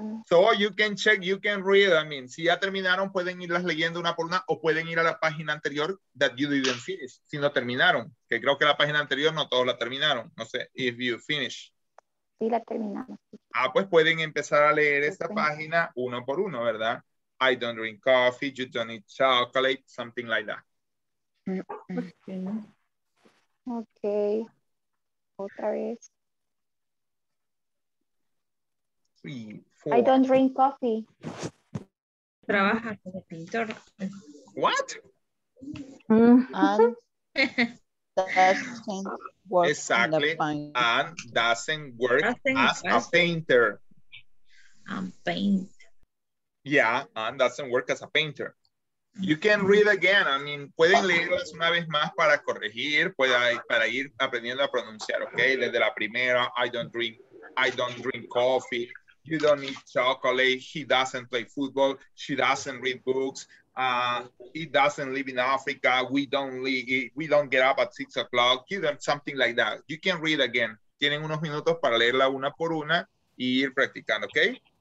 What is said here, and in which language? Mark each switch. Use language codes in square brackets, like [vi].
[en] So you can check, you can read, I mean, [es] si ya terminaron, pueden irlas leyendo una por una o pueden ir a la página anterior [en] that you didn't finish, [es] si no terminaron, que creo que la página anterior no todos la terminaron, no sé, [en] if you finish. [es] Sí, la terminamos. Ah, pues pueden empezar a leer esta página uno por uno, ¿verdad? [en] I don't drink coffee, you don't eat chocolate, something like that. Ok. [es] Otra vez. [en] Three, I don't drink coffee. [es] Trabaja como pintor. [en] What? And doesn't work. Exactly. And doesn't work as a painter. And paint. Yeah, and doesn't work as a painter. You can read again. I mean, [es] pueden leerlas una vez más para corregir, para ir aprendiendo a pronunciar, [en] okay? [es] Desde la primera, [en] I don't drink coffee. You don't eat chocolate, he doesn't play football, she doesn't read books, he doesn't live in Africa, we don't get up at 6 o'clock, you don't, something like that. You can read again. [es] Tienen unos minutos para leerla una por una y ir practicando, ¿ok?